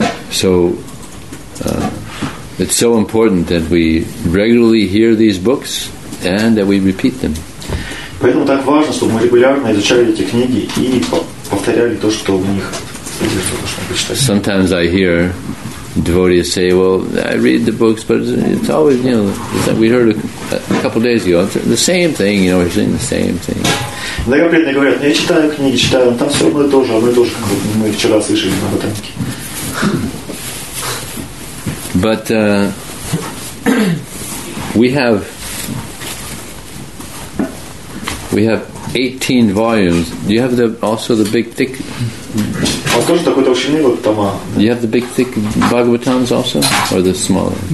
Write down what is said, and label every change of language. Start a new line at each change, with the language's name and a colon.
English: So, it's so important that we regularly hear these books and that we repeat them.
Russian: Поэтому так важно, чтобы мы регулярно изучали эти книги и повторяли то, что в них.
English: Sometimes I hear devotees say, "Well, I read the books, but it's always, you know, we heard a couple of days ago, it's the same thing, you know, we're saying the same thing."
Russian: Многопреданные говорят, я читаю книги, читаю, там все одно и то же, одно и то же, как мы вчера слышали на ботанике.
English: But we have 18 volumes. Do you have also the big thick?
Russian: А тоже такой толщины вот тома.
English: You have the big thick Bhagavatams also, or the smaller?